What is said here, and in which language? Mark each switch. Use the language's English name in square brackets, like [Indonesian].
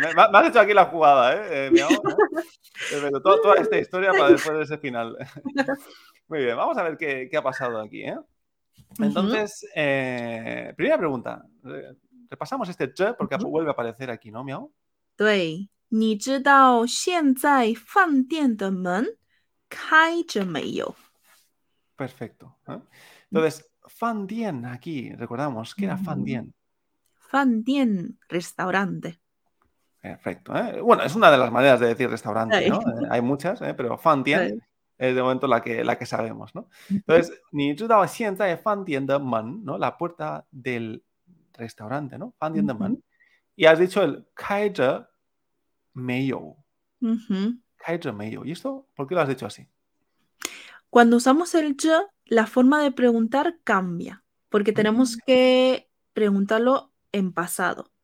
[Spanish] Me has hecho aquí la jugada, ¿eh? Toda esta historia para después de ese final. Muy bien, vamos a ver qué ha pasado aquí, ¿eh? Entonces, primera pregunta. Repasamos este ch porque vuelve a aparecer aquí, ¿no, Miao? [Chinese] 对, 你知道现在饭店的门开着没有? [Spanish] Perfecto. Entonces, fan dien aquí, recordamos que era fan dien. 饭店 restaurante. Perfecto. Bueno, es una de las maneras de decir restaurante, ¿no? Hay muchas, pero 饭店 es de momento la que sabemos, ¿no? Entonces, [Chinese] 你知道现在饭店的门, [Spanish] ¿no? La puerta del restaurante, ¿no? [Chinese] 饭店的门. [Spanish] Y has dicho el 开着没有. [Chinese] 开着没有. [Spanish] ¿Y esto? ¿Por qué lo has dicho así? Cuando usamos el 这, la forma de preguntar cambia. Porque tenemos que preguntarlo en pasado.